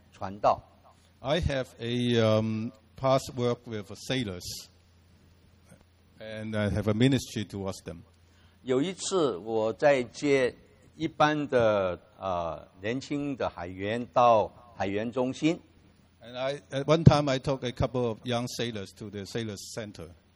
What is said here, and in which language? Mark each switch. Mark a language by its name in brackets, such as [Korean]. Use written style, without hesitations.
[English] I have a past work with sailors, and I have a ministry towards them. [Chinese] 有一次我在接一般的 年轻的海员到海员中心。 [English] And at one time I took a couple of young sailors to the sailors center.